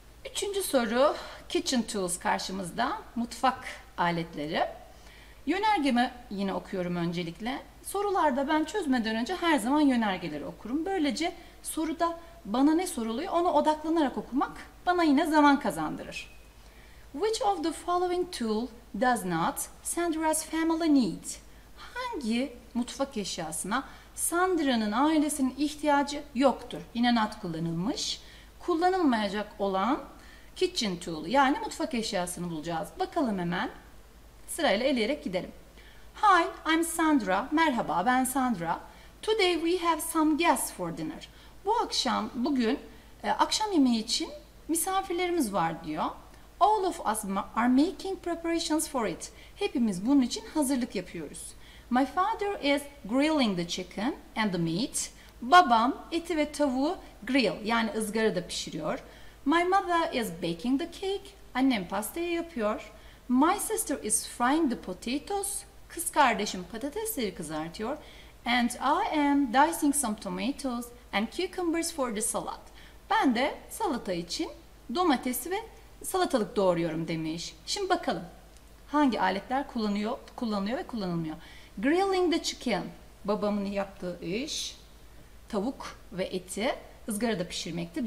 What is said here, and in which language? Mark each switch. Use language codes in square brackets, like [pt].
[tr] Üçüncü soru, [en] kitchen tools [tr] karşımızda, mutfak aletleri. Yönergemi yine okuyorum öncelikle. Sorularda ben çözmeden önce her zaman yönergeleri okurum. Böylece soruda bana ne soruluyor ona odaklanarak okumak bana yine zaman kazandırır. [en] Which of the following tool does not Sandra's family need? [tr] Hangi mutfak eşyasına Sandra'nın ailesinin ihtiyacı yoktur? Yine not kullanılmış. Kullanılmayacak olan kitchen tool yani mutfak eşyasını bulacağız. Bakalım hemen sırayla eleyerek gidelim. [en] Hi, I'm Sandra. [tr] Merhaba, ben Sandra. [en] Today we have some guests for dinner. [tr] Bugün akşam yemeği için misafirlerimiz var diyor. [en] All of us are making preparations for it. [tr] Hepimiz bunun için hazırlık yapıyoruz. [en] My father is grilling the chicken and the meat. [tr] Babam eti ve tavuğu grill yani ızgarada pişiriyor. [en] My mother is baking the cake. [tr] Annem pastayı yapıyor. [en] My sister is frying the potatoes. [tr] Kız kardeşim patatesleri kızartıyor. [en] And I am dicing some tomatoes and cucumbers for the salad. [tr] Ben de salata için domatesi ve salatalık doğruyorum demiş. Şimdi bakalım hangi aletler kullanılıyor ve kullanılmıyor. [en] Grilling the chicken, [tr] babamın yaptığı iş, tavuk ve eti ızgarada pişirmekti.